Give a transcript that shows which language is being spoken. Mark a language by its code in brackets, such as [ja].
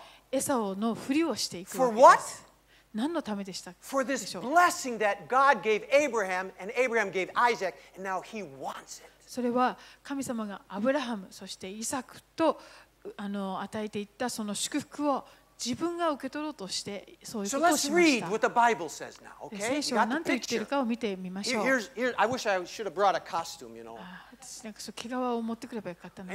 [ja] エサオのふりをしていくわけです。何のためでしたでしょう。 [en] For this blessing that God gave Abraham and Abraham gave Isaac, and now he wants it. [ja] それは神様がアブラハムそしてイサクと与えていったその祝福を自分が受け取ろうとしてそういうことをしました。聖書は何と言っているかを見てみましょう。 [en] I wish I should have brought a costume, you know. [ja] 私なんか毛皮を持ってくればよかったな。